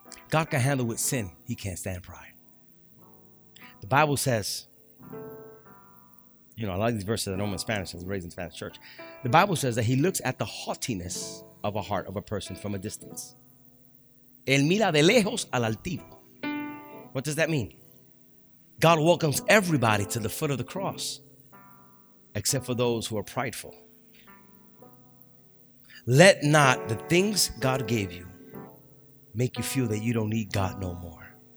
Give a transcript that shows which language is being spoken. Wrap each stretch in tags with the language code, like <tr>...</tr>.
<en>God can handle with sin. He can't stand pride. The Bible says, you know, a lot of these verses I know in Spanish. I was raised in Spanish church. The Bible says that he looks at the haughtiness of a heart of a person from a distance.</en> <es>El mira de lejos al altivo.</es> <en>What does that mean? God welcomes everybody to the foot of the cross, except for those who are prideful. Let not the things God gave you make you feel that you don't need God no more.</en>